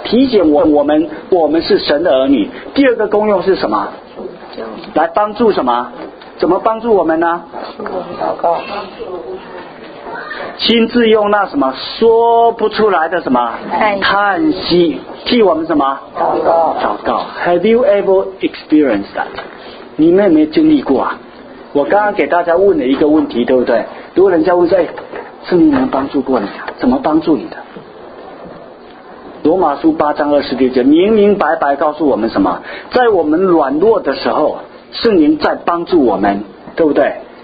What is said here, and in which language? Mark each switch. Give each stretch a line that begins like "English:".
Chinese: 提醒我们是神的儿女。第二个功用是什么？来帮助什么？怎么帮助我们呢？祷告。亲自用那什么说不出来的什么叹息替我们什么祷告。祷告。
English: Have you ever experienced that？
Chinese: 你们有没有经历过啊？我刚刚给大家问了一个问题，对不对？如果人家问说，哎，圣灵能帮助过你啊？怎么帮助你的？罗马书八章二十六节明明白白告诉我们什么？在我们软弱的时候，圣灵在帮助我们，对不对？